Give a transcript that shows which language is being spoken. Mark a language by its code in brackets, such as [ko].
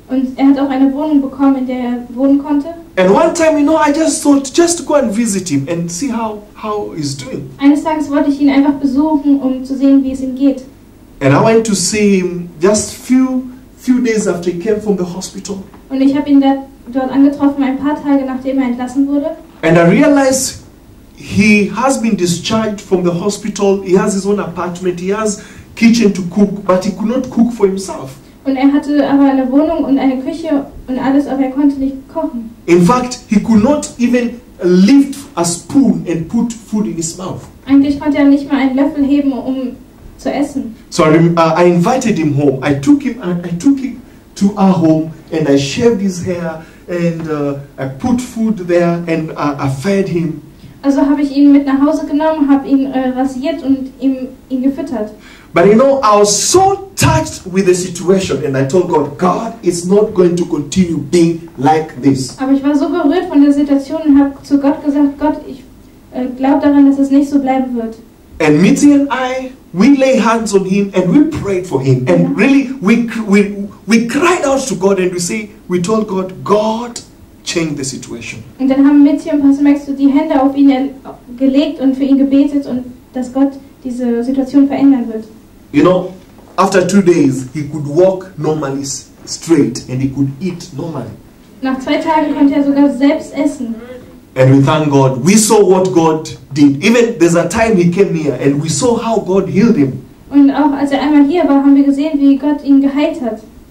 [de] Und er hat auch eine Wohnung bekommen, in der er wohnen konnte. [en] And one time, you know, I just thought, just go and visit him and see how he's doing. [de] Eines Tages wollte ich ihn einfach besuchen, um zu sehen, wie es ihm geht. [en] And I went to see him just few days after he came from the hospital. [de] Und ich habe ihn dort angetroffen, ein paar Tage nachdem er entlassen wurde. [en] And I realized he has been discharged from the hospital. He has his own apartment. He has kitchen to cook, but he could not cook for himself. [de] Und er hatte aber eine Wohnung und eine Küche und alles, aber er konnte nicht kochen. [en] In fact, he could not even lift a spoon and put food in his mouth. [de] Eigentlich konnte er nicht mal einen Löffel heben, um zu essen. [en] So I invited him home. I took him to our home and I shaved his hair and I put food there and I fed him. [de] Also habe ich ihn mit nach Hause genommen, habe ihn rasiert und ihn gefüttert. [en] But you know, I was so touched with the situation and I told God, God, it's not going to continue being like this. [de] Aber ich war so berührt von der Situation und habe zu Gott gesagt, Gott, ich glaube daran, dass es nicht so bleiben wird. [en] And Mitzi and I, we lay hands on him and we prayed for him. And ja. Really, we cried out to God and we told God, God, change the situation. [de] Und dann haben Mitzi und Pastor Max so die Hände auf ihn gelegt und für ihn gebetet und dass Gott diese Situation verändern wird. [en] You know, after 2 days he could walk normally straight and he could eat normally. [de] Nach 2 Tagen konnte er sogar selbst essen. [en] And we thank God. We saw what God did. Even there's a time he came here and we saw how God healed him. [de] Und auch als er einmal hier war, haben wir gesehen, wie Gott ihn geheilt hat.